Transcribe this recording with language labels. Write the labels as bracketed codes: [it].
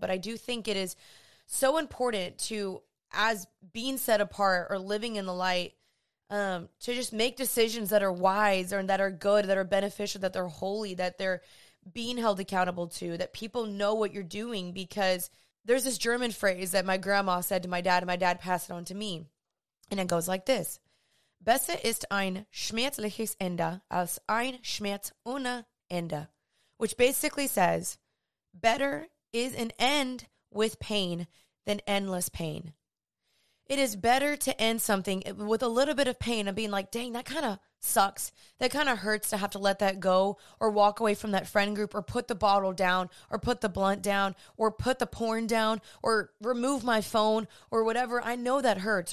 [en] But I do think it is so important to, as being set apart or living in the light, to just make decisions that are wise or that are good, that are beneficial, that they're holy, that they're being held accountable to, that people know what you're doing. Because there's this German phrase that my grandma said to my dad, and my dad passed it on to me. [de] And it goes like this: Besser ist ein schmerzliches Ende als ein Schmerz ohne Ende. [en] Which basically says, better is an end with pain than endless pain. It is better to end something with a little bit of pain and being like, dang, that kind of sucks. That kind of hurts to have to let that go or walk away from that friend group or put the bottle down or put the blunt down or put the porn down or remove my phone or whatever. I know that hurts.